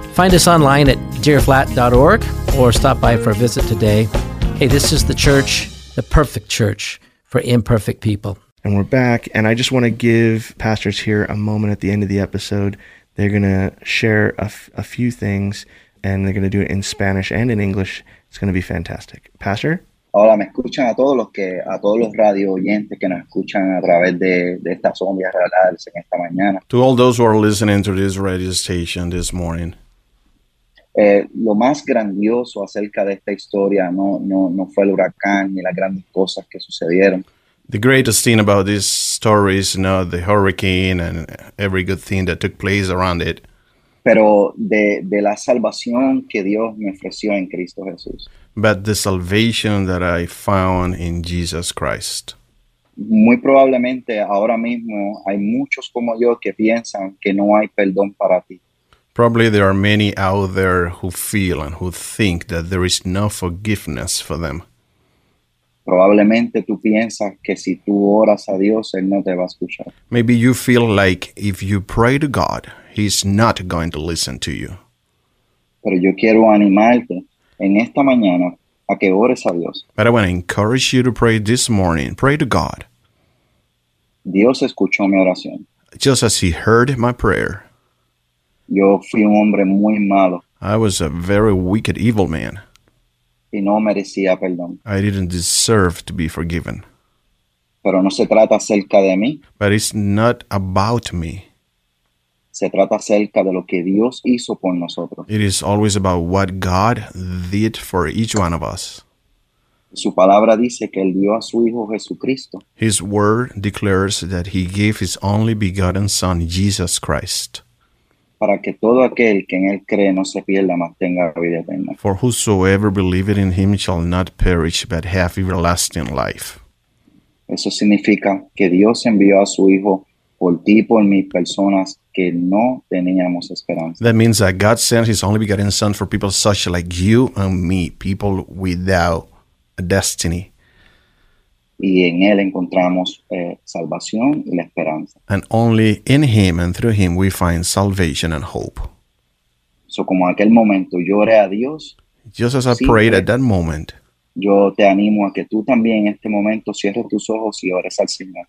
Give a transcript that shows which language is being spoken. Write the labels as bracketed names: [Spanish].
[English] Find us online at deerflat.org or stop by for a visit today. Hey, this is the church, the perfect church for imperfect people. And we're back. And I just want to give pastors here a moment at the end of the episode. They're going to share a few things, and they're going to do it in Spanish and in English. It's going to be fantastic. Pastor? [Spanish] Hola, me escuchan a todos los radio oyentes que nos escuchan a través de estas ondas radiales en esta mañana. [English] To all those who are listening to this radio station this morning. [Spanish] Lo más grandioso acerca de esta historia no fue el huracán ni las grandes cosas que sucedieron. [English] The greatest thing about this story is not the hurricane and every good thing that took place around it. [Spanish] Pero de la salvación que Dios me ofreció en Cristo Jesús. [English] But the salvation that I found in Jesus Christ. [Spanish] Muy probablemente ahora mismo hay muchos como yo que piensan que no hay perdón para ti. [English] Probably there are many out there who feel and who think that there is no forgiveness for them. [Spanish] Probablemente tú piensas que si tú oras a Dios, él no te va a escuchar. [English] Maybe you feel like if you pray to God, he's not going to listen to you. [Spanish] Pero yo quiero animarte en esta mañana a que ores a Dios. [English] But I want to encourage you to pray this morning. Pray to God. [Spanish] Dios escuchó mi oración. [English] Just as he heard my prayer. [Spanish] Yo fui un hombre muy malo. [English] I was a very wicked, evil man. [Spanish] Y no merecía perdón. [English] I didn't deserve to be forgiven. [Spanish] Pero no se trata acerca de mí. [English] But it's not about me. [Spanish] Se trata acerca de lo que Dios hizo por nosotros. [English] It is always about what God did for each one of us. [Spanish] Su palabra dice que él dio a su hijo Jesucristo. [English] His word declares that he gave his only begotten son, Jesus Christ. [Spanish] Para que todo aquel que en él cree no se pierda, mas tenga vida eterna. [English] For whosoever believeth in him shall not perish, but have everlasting life. [Spanish] Eso significa que Dios envió a su hijo por ti y por mí, personas que no teníamos esperanza. [English] That means that God sent his only begotten son for people such like you and me, people without a destiny. [Spanish] Y en él encontramos salvación y la esperanza. [English] And only in him and through him we find salvation and hope. [Spanish] So como en aquel momento lloré a Dios. [English] Just as I prayed at that moment. [Spanish] Yo te animo a que tú también en este momento cierres tus ojos y ores al Señor.